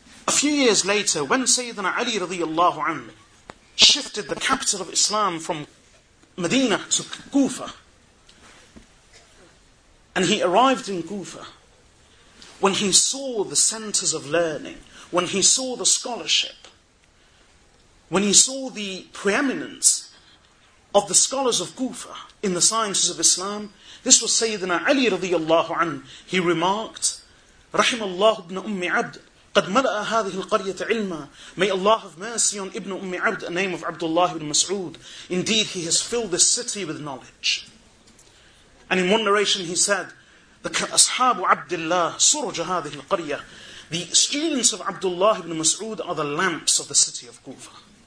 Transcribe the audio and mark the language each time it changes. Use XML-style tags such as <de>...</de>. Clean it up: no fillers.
<en>few years later, when Sayyidina Ali radiallahu anhu shifted the capital of Islam from Medina to Kufa, and he arrived in Kufa, when he saw the centers of learning, when he saw the scholarship, when he saw the preeminence of the scholars of Kufa in the sciences of Islam, this was Sayyidina Ali radiallahu anhu. He remarked,</en> <ar>رحم الله ابن أمي عبد قد ملأ هذه القرية علما.</ar> <en>May Allah have mercy on Ibn Ummi Abd, a name of Abdullah ibn Mas'ud. Indeed, he has filled this city with knowledge. And in one narration he said, the Ashabu Abdullah Suraj</en> <ar>هذه القرية.</ar> <en>The students of Abdullah ibn Mas'ud are the lamps of the city of Kufa.</en>